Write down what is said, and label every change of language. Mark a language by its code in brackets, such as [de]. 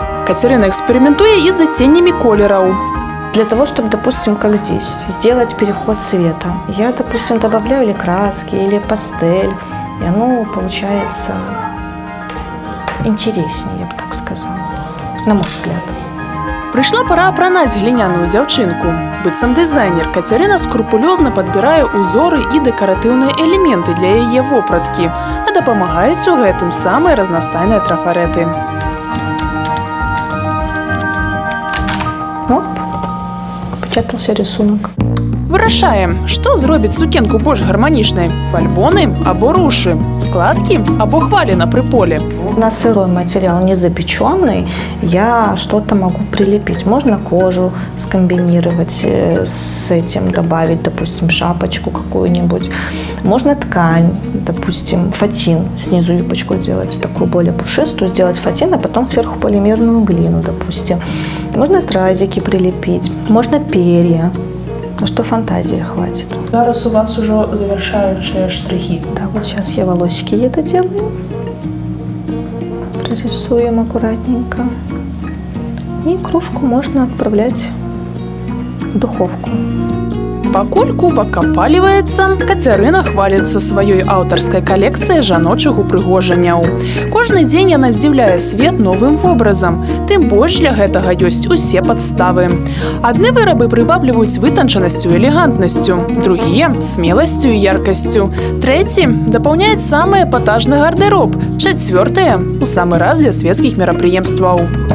[be] Кацярына экспериментуе и с оттенями колеров. [ru] Для того, чтобы, допустим, как здесь, сделать переход цвета. Я, допустим, добавляю или краски, или пастель. И оно получается интереснее, я бы так сказала, на мой взгляд. [be] Прыйшла пара апранаць гліняную дзяўчынку. Быццам дызайнер, Кацярына скрупулёзна падбірае ўзоры і дэкаратыўныя элементы для яе вопраткі, а дапамагаюць у гэтым самыя разнастайныя трафарэты. [ru] Оп, пачатался рисунак. [be] Вырашаем, што зробіць сукенку больш гарманічнай – фальбоны або рушы, складкі або хвалина пры поле. [ru] На сырой матэрыял не запечённы, я што-то магу прилепіць. [be] Можна кожу скамбініраваць з гэтым, добавіць, допустим, шапачку какую-нибудь. [ru] Можна ткань, допустим, фатін, снизу юбачку зделаць такую более пушистую, зделаць фатін, а потом сверху полимерную глину, допустим. [be] Можна стразікі прилепіць, можна пер'я. [ru] Ну что, фантазии хватит. [be] Зараз у вас [ru] уже завершающие штрихи. Да, вот сейчас я волосики это делаю. Прорисуем аккуратненько. И кружку можно отправлять в духовку. [be] Пакуль кубак апальваецца, Кацярына хваліцца сваёй аўтарскай калекцыяй жаночых упрыгожанняў. Кожны дзень яна здзіўляе свет новым вобразам, тым больш для гэтага ёсць усе падставы. Адны вырабы прывабліваюць вытанчанасцю і элегантнасцю, другія – смеласцю і яркасцю, трэці – дапаўняюць самы эпатажны гардероб, чацвёртыя – у самы раз для свецкіх мерапрыемстваў.